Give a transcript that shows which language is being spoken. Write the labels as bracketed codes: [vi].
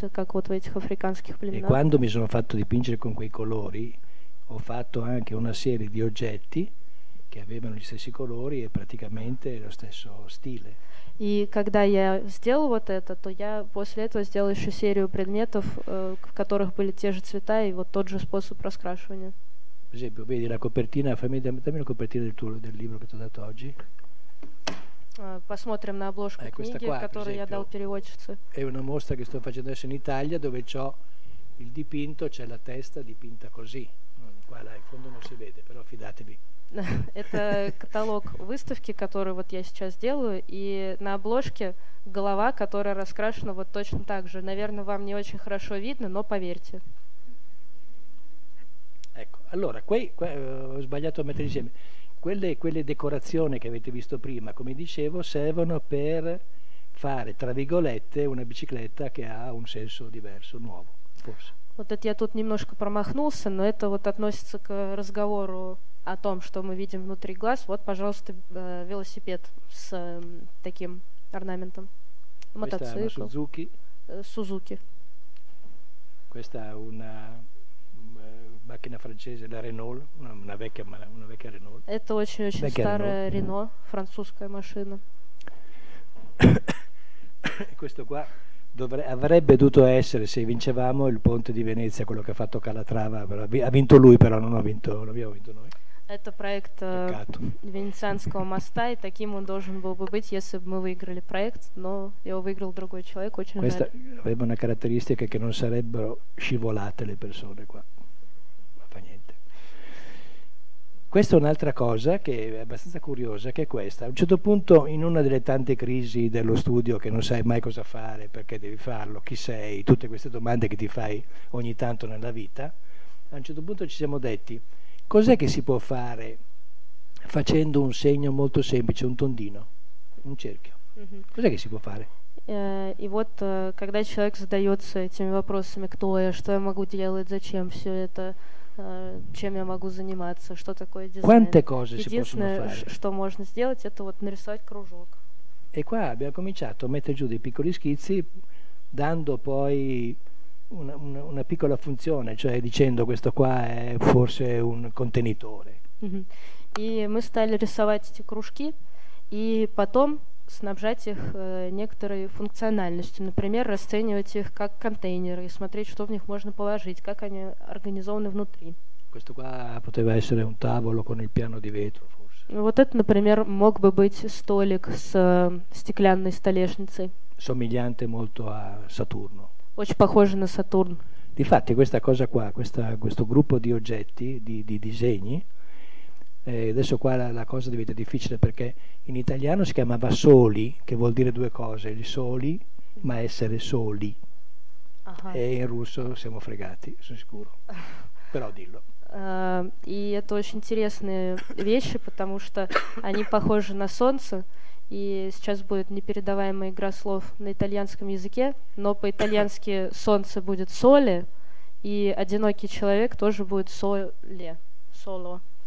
[it] E quando mi sono fatto dipingere con quei colori, ho fatto anche una serie di oggetti che avevano gli stessi colori e praticamente lo stesso stile. [ru] И когда я сделал вот это, то я после этого сделал еще серию предметов, в которых были те же цвета и вот тот же способ раскрашивания. [it] Per esempio, vedi la copertina, dammi la copertina del libro che ti ho dato oggi. [ru] Посмотрим на обложку книги, которую я дал переводчице. [it] È una mostra che sto facendo adesso in Italia, dove c'ho il dipinto, c'è la testa dipinta così. Qua là in fondo non si vede, però fidatevi. [ru] Это каталог выставки, который вот я сейчас делаю, и на обложке голова, которая раскрашена вот точно так же. Наверное, вам не очень хорошо видно, но поверьте. [it] Ecco, allora, ho sbagliato a mettere insieme. Quelle decorazioni che avete visto prima, come dicevo, servono per fare, tra virgolette, una bicicletta che ha un senso diverso, nuovo, forse. [ru] Вот это я тут немножко промахнулся, но это вот относится к разговору о том, что мы видим внутри глаз. Вот, пожалуйста, велосипед с таким орнаментом. Мотоцикл. Сузуки. [it] Questa è una macchina francese, la Renault, una vecchia Renault. [ru] Это очень-очень [it] vecchia [ru] старая Renault, французская машина. [it] Questo qua avrebbe dovuto essere, se vincevamo, il ponte di Venezia, quello che ha fatto Calatrava. Ha vinto lui, però non abbiamo vinto noi. [ru] Это проект Венецианского моста, и таким он должен был бы быть, если бы мы выиграли проект, но его выиграл другой человек, очень [it] Questa [ru] жаль. [it] Questa aveva una caratteristica che non sarebbero scivolate le persone qua. Ma fa niente. Questa è un'altra cosa che è abbastanza curiosa, che è questa. A un certo punto, in una delle tante crisi dello studio, che non sai mai cosa fare, perché devi farlo, chi sei, tutte queste domande che ti fai ogni tanto nella vita, a un certo punto ci siamo detti: cos'è che si può fare facendo un segno molto semplice, un tondino, un cerchio? Cos'è che si può fare? [ru] И вот, когда человек задается этими вопросами, кто я, что я могу делать, зачем все это, чем я могу заниматься, что такое дизайн? [it] Quante cose si possono fare? [ru] Единственное, что можно сделать, это вот нарисовать кружок. [it] E qua abbiamo cominciato a mettere giù dei piccoli schizzi, dando poi una piccola funzione, cioè dicendo questo qua è forse un contenitore. [ru] И мы стали рисовать эти кружки и потом снабжать их некоторой функциональностью, например, расценивать их как контейнеры и смотреть, что в них можно положить, как они организованы внутри. [it] Questo qua poteva essere un tavolo con il piano di vetro, forse. [ru] Вот это, например, мог бы быть столик с стеклянной столешницей. [it] Somigliante molto a Saturno. [ru] Очень похоже на Сатурн. [it] Difatti, questa cosa qua, questo gruppo di oggetti, di disegni, adesso qua la cosa diventa difficile perché in italiano si chiamava soli, che vuol dire due cose, il soli, ma essere soli. Uh-huh. E in russo siamo fregati, sono sicuro. Però dillo. [ru] И это очень интересные вещи, потому что они похожи на солнце. И сейчас будет непередаваемая игра слов на итальянском языке, но по-итальянски солнце будет соле, и одинокий человек тоже будет соле, соло.